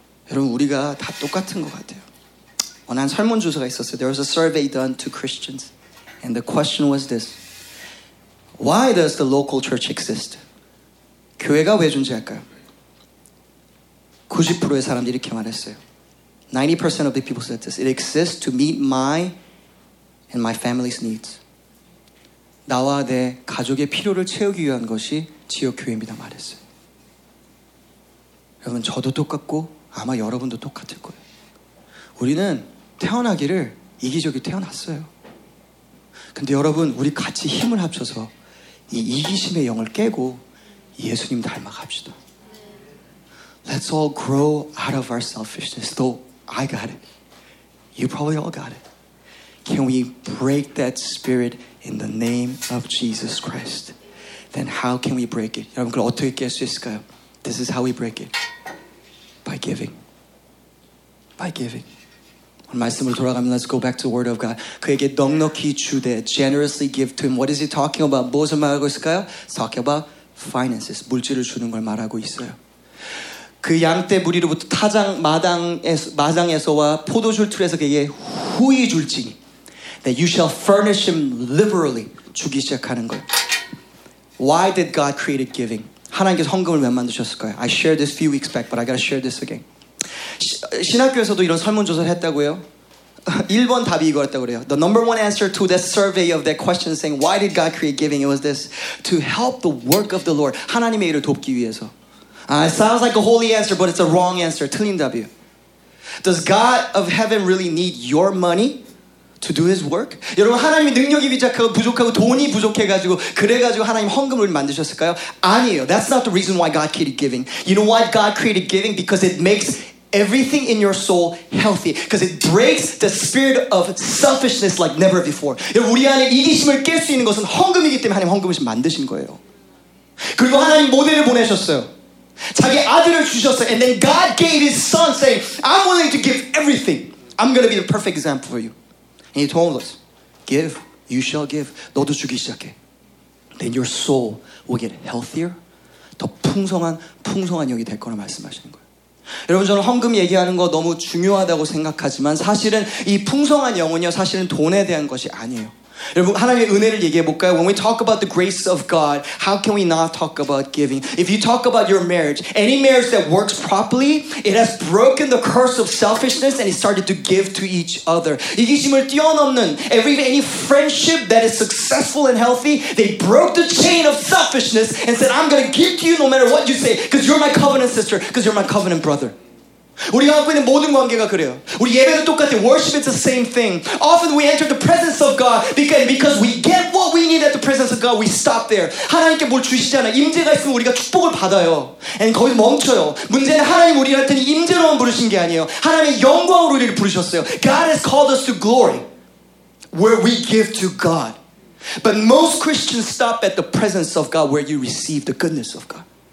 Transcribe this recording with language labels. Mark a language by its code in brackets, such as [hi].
[ko] 여러분 우리가 다 똑같은 것 같아요. 난 설문조사가 있었어요. [en] There was a survey done to Christians. And the question was this. Why does the local church exist? [ko] 교회가 왜 존재할까요? 90%의 사람들이 이렇게 말했어요. [en] 90% of the people said this. It exists to meet my and my family's needs. [ko] 나와 내 가족의 필요를 채우기 위한 것이 지역교회입니다 말했어요. 여러분 저도 똑같고 아마 여러분도 똑같을 거예요. 우리는 태어나기를 이기적이 태어났어요. 근데 여러분 우리 같이 힘을 합쳐서 이 이기심의 영을 깨고 예수님 닮아갑시다. [en] Let's all grow out of our selfishness. Though I got it. You probably all got it. Can we break that spirit in the name of Jesus Christ? Then how can we break it? [ko] 여러분 그걸 어떻게 깰 수 있을까요? [en] This is how we break it. By giving. By giving. [ko] 말씀을 돌아가면 [en] let's go back to the word of God. [ko] 그에게 넉넉히 주되 [en] generously give to him. What is he talking about? [ko] 무엇을 말하고 있을까요? [en] He's talking about finances. [ko] 물질을 주는 걸 말하고 있어요. 그 양떼 무리로부터 타장 마당에서 마장에서와 포도줄 틀에서 그에게 후히 줄지니 [en] that you shall furnish him liberally. [ko] 주기 시작하는 거예요. [en] Why did God create giving? [ko] 하나님께서 헌금을 왜 만드셨을까요? [en] I shared this few weeks back, but I gotta share this again. [ko] 신학교에서도 이런 설문조사를 했다고요. 1번 답이 이거였다고 그래요. [en] The number one answer to that survey of that question saying why did God create giving? It was this. To help the work of the Lord. [ko] 하나님의 일을 돕기 위해서. [en] It sounds like a holy answer, but it's a wrong answer. [ko] 틀린 답이요. [en] Does God of heaven really need your money to do his work? [ko] 여러분 하나님이 능력이 부족하고 돈이 부족해가지고 그래가지고 하나님 헌금을 만드셨을까요? 아니에요. [en] That's not the reason why God created giving. You know why God created giving? Because it makes everything in your soul healthy because it breaks the spirit of selfishness like never before. [ko] 우리 안에 이기심을 깰 수 있는 것은 헌금이기 때문에 하나님 헌금을 만드신 거예요. 그리고 하나님 모델을 보내셨어요. 자기 아들을 주셨어요. [en] And then God gave his son saying, I'm willing to give everything. I'm going to be the perfect example for you. And he told us, give, you shall give. [ko] 너도 주기 시작해. [en] then your soul will get healthier. [ko] 더 풍성한 영이 될 거라 말씀하시는 거예요. 여러분 저는 헌금 얘기하는 거 너무 중요하다고 생각하지만 사실은 이 풍성한 영혼이요 사실은 돈에 대한 것이 아니에요. 여러분 하나님의 은혜를 얘기해 볼까요? [en] When we talk about the grace of God, how can we not talk about giving? If you talk about your marriage, any marriage that works properly, it has broken the curse of selfishness and it started to give to each other. [ko] 이기심을 뛰어넘는 [en] any friendship that is successful and healthy, they broke the chain of selfishness and said, I'm going to give to you no matter what you say because you're my covenant sister, because you're my covenant brother. [ko] 우리가 갖고 있는 모든 관계가 그래요. 우리 예배도 똑같아요. [en] Worship is the same thing. Often we enter the presence of God because we get what we need at the presence of God. We stop there. [ko] 하나님께 뭘 주시잖아. 임재가 있으면 우리가 축복을 받아요. And 거기서 멈춰요. 문제는 하나님 우리한테는 임재로만 부르신 게 아니에요. 하나님의 영광으로 우리를 부르셨어요. [en] God has called us to glory where we give to God. But most Christians stop at the presence of God where you receive the goodness of God.